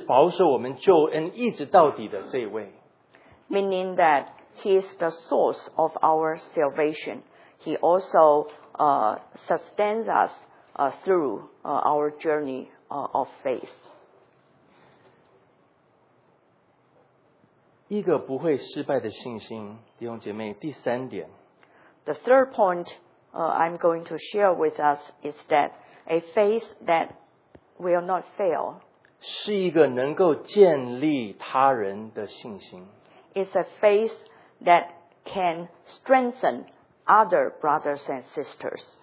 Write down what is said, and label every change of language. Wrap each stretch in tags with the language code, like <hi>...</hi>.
<zh>创始成终的意思就是他是我们救恩的源头，也是保守我们救恩一直到底的这一位。</zh> <en>Meaning that He is the source of our salvation. He also sustains us through our journey of faith.</en> <zh>一个不会失败的信心，弟兄姐妹，第三点。</zh> <en>The third point I'm going to share with us is that a faith that will not fail</en> <zh>是一个能够建立他人的信心。</zh> <en>It's a faith that can strengthen other brothers and sisters.</en>